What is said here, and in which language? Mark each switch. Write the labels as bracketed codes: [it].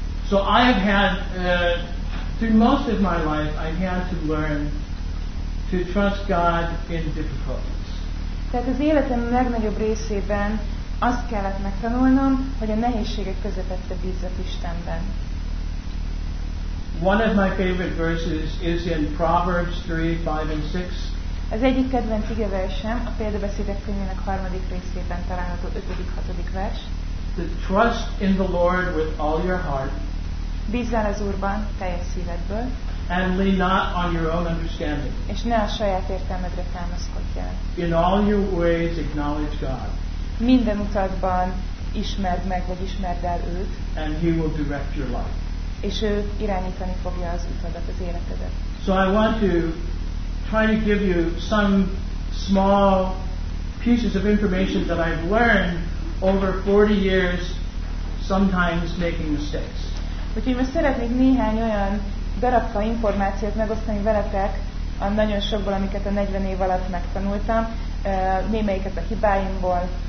[en] So I have had, through most of my life, I had to learn to trust God in difficulties. [hu] Tehát az életem legnagyobb részében azt kellett megtanulnom, hogy a nehézségek közepette bízzak Istenben. [en] one of my favorite verses is in Proverbs 3, 5 and 6. [hu] Az egyik kedvenc igeversem a Példabeszédek könyvének harmadik részében található 5.-6. vers. [en] To trust in the Lord with all your heart. [hu] Bízzál az Úrban teljes szívedből. [en] And lean not on your own understanding. [hu] És ne a saját értelmedre támaszkodj el. [en] In all your ways acknowledge God. [hu] Minden utadban ismerd meg, vagy ismerd el őt. [en] And he will direct your life. [hu] És ő irányítani fogja az utadat, az életedet. [en] So I want to try to give you some small pieces of information that I've learned over 40 years sometimes making mistakes. [hu] Úgyhogy most szeretnék néhány olyan darabka információt megosztani veletek a nagyon sokból, amiket a 40 év alatt megtanultam, némelyiket a hibáimból.